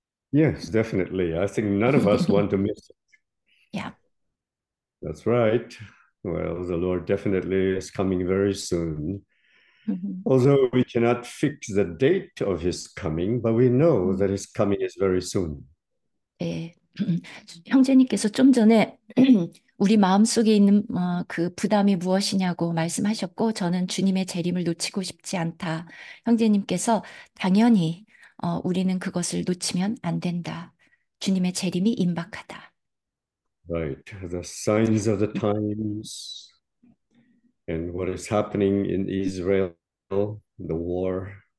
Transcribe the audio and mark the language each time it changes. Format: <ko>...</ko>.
<en>Yes, definitely. I think none of us want to miss it. That's right. Well, the Lord definitely is coming very soon. Although we cannot fix the date of his coming, but we know that his coming is very soon.</en> <ko>예, 형제님께서 좀 전에 우리 마음속에 있는 그 부담이 무엇이냐고 말씀하셨고, 저는 주님의 재림을 놓치고 싶지 않다. 형제님께서 당연히 우리는 그것을 놓치면 안 된다. 주님의 재림이 임박하다.</ko> <en>Right, the signs of the times and what is happening in Israel, the war.</en>